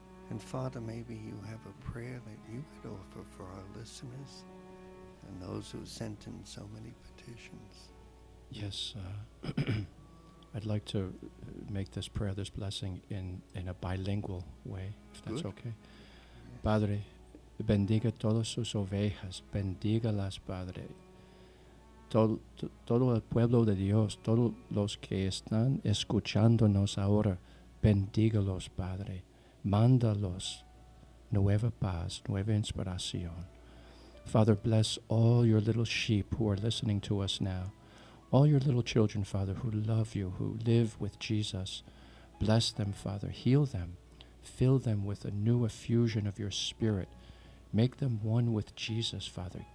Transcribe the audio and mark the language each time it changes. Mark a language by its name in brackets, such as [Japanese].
[English] And Father, maybe you have a prayer that you could offer for our listeners and those who sent in so many petitions. Yes, I'd like to make this prayer, this blessing, in a bilingual way, if that's good. Okay. [Spanish] Padre, bendiga todas sus ovejas, bendígalas, Padre. Todo el pueblo de Dios, todos los que están escuchándonos ahora, bendígalos, Padre. Mándalos nueva paz, nueva inspiración. [English] Father, bless all your little sheep who are listening to us now. All your little children, Father, who love you, who live with Jesus, bless them, Father. Heal them. Fill them with a new effusion of your Spirit. Make them one with Jesus, Father.